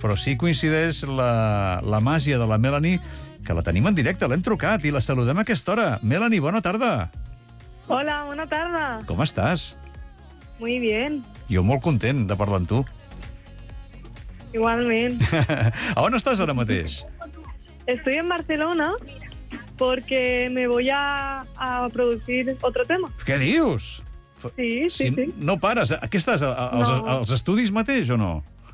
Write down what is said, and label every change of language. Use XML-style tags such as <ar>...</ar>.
<ca>Però sí coincideix la màgia de la Melanie, que la tenim en directe, l'hem trucat i la saludem a aquesta hora. Melanie, bona tarda. Hola, bona tarda. Com estàs?</ca> <es>Muy bien.</es> <ca>Jo molt content de parlar amb tu. Igualment. A on estàs ara mateix?</ca> <es>Estoy en Barcelona porque me voy a producir otro tema.</es> <ca>Què dius? Sí. No pares. Aquí estàs, als estudis mateix o no?</ca>